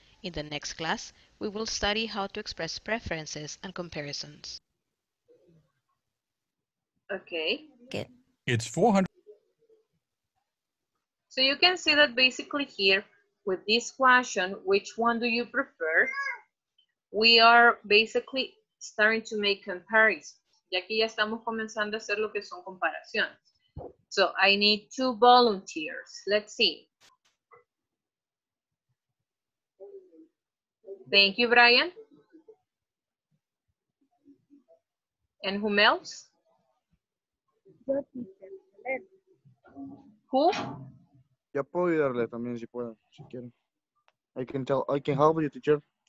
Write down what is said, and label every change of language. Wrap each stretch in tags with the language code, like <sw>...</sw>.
<en>In the next class, we will study how to express preferences and comparisons. Okay. It's 400. So you can see that basically here with this question, which one do you prefer? We are basically starting to make comparisons.</en> <es>Y aquí ya estamos comenzando a hacer lo que son comparaciones.</es> <en>So I need two volunteers. Let's see. Thank you, Brian. And whom else? Who?</en> <es>Yo puedo ayudarle también si puedo, si quieren.</es> <en>I can tell, I can help you, teacher.</en>